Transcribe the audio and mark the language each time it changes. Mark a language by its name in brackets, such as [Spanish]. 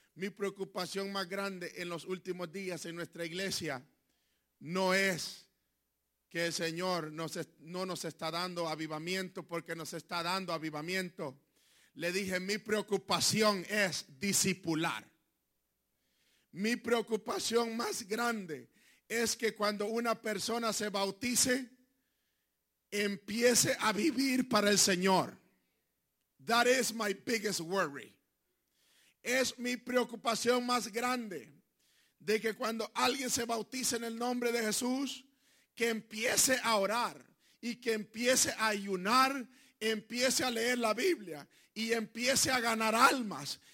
[Spanish] Mi preocupación más grande en los últimos días en nuestra iglesia no es que el Señor no nos está dando avivamiento, porque nos está dando avivamiento. Le dije, mi preocupación es discipular. Mi preocupación más grande es que cuando una persona se bautice, empiece a vivir para el Señor. [English] That is my biggest worry. [Spanish] Es mi preocupación más grande de que cuando alguien se bautice en el nombre de Jesús, que empiece a orar y que empiece a ayunar, empiece a leer la Biblia y empiece a ganar almas.